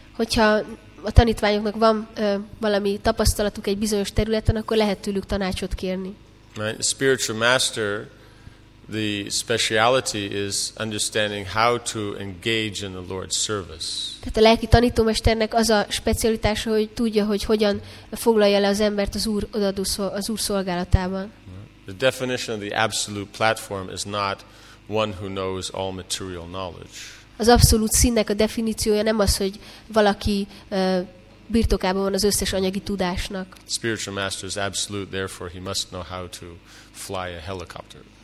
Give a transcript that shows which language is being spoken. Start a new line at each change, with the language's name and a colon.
Hungarian: Hogyha a tanítványoknak van valami tapasztalatuk egy bizonyos területen, akkor lehet tőlük tanácsot kérni.
English: Right? Spiritual master, the speciality is understanding how to engage in the Lord's service.
Hungarian: Tehát a lelki tanítómesternek az a specialitása, hogy tudja, hogy hogyan foglalja le az embert az Úr odaadó az Úr szolgálatában.
English: The definition of the absolute platform is not one who knows all material knowledge.
Hungarian: Az abszolút színnek a definíciója nem az, hogy valaki birtokában van az összes anyagi tudásnak.
English: Spiritual master is absolute, therefore he must know how to fly a helicopter.